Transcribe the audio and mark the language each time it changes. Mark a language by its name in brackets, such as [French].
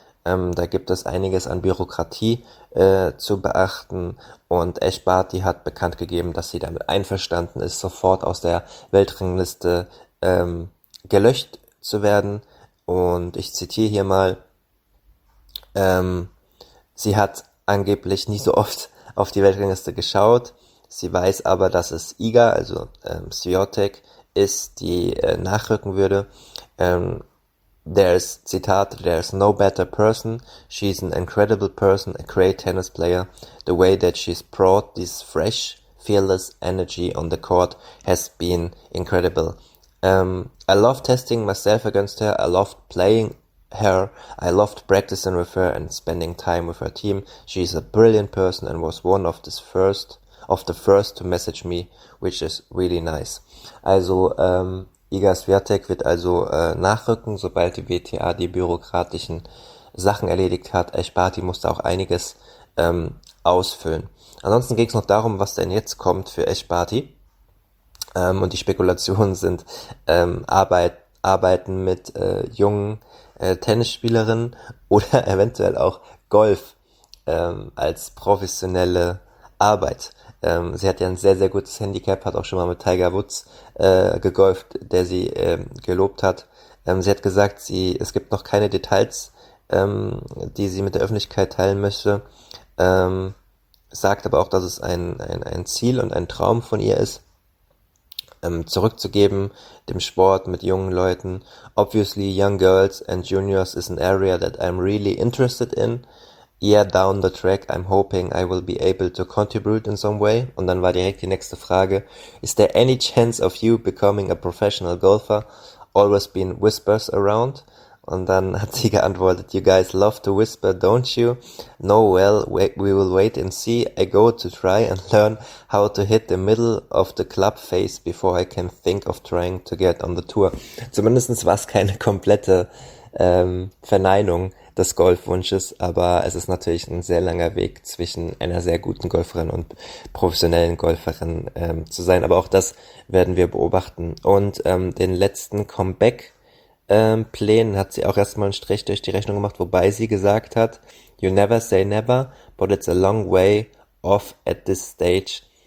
[German] Da gibt es einiges an Bürokratie zu beachten und Eschbati hat bekannt gegeben, dass sie damit einverstanden ist, sofort aus der Weltrangliste gelöscht zu werden. Und ich zitiere hier mal, sie hat angeblich nie so oft auf die Weltrangliste geschaut, sie weiß aber, dass es IGA, also Swiatek, ist, die nachrücken würde. [English] There's no better person, she's an incredible person, a great tennis player. The way that she's brought this fresh, fearless energy on the court has been incredible. I love testing myself against her, I loved playing her, I loved practicing with her and spending time with her team. She's a brilliant person and was one of the first to message me, which is really nice. [German] Also, Iga Swiatek wird also nachrücken, sobald die WTA die bürokratischen Sachen erledigt hat. Eschbati musste auch einiges ausfüllen. Ansonsten geht es noch darum, was denn jetzt kommt für Eschbati. Und die Spekulationen sind Arbeiten mit jungen Tennisspielerinnen oder eventuell auch Golf als professionelle Arbeit. Sie hat ja ein sehr, sehr gutes Handicap, hat auch schon mal mit Tiger Woods gegolft, der sie gelobt hat. Sie hat gesagt, es gibt noch keine Details, die sie mit der Öffentlichkeit teilen möchte. Sagt aber auch, dass es ein Ziel und ein Traum von ihr ist, zurückzugeben dem Sport mit jungen Leuten. [English] Obviously, young girls and juniors is an area that I'm really interested in. Yeah, down the track, I'm hoping I will be able to contribute in some way. [German] Und dann war direkt die nächste Frage: [English] Is there any chance of you becoming a professional golfer? Always been whispers around. [German] Und dann hat sie geantwortet: [English] You guys love to whisper, don't you? No, well, we will wait and see. I go to try and learn how to hit the middle of the club face before I can think of trying to get on the tour. [German] Zumindest war es keine komplette Verneinung des Golfwunsches, aber es ist natürlich ein sehr langer Weg zwischen einer sehr guten Golferin und professionellen Golferin zu sein. Aber auch das werden wir beobachten. Und den letzten Comeback Plänen hat sie auch erstmal einen Strich durch die Rechnung gemacht, wobei sie gesagt hat, [English] you never say never, but it's a long way off at this stage.